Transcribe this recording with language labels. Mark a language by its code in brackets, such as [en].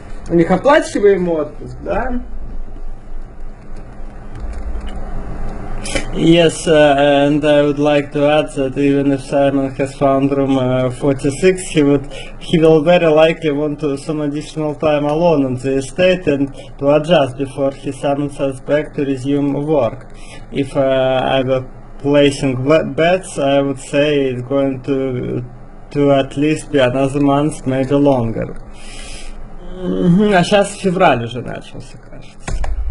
[ru] У них оплачиваем отпуск, да? [en] Yes, and I would like to add that even if Simon has found room 46, he will very likely want to some additional time alone on the estate and to adjust before he summons us back to resume work. If I were placing bets, I would say it's going to at least be another month, maybe longer. Mm-hmm. [ru] А сейчас февраль уже начался, кажется.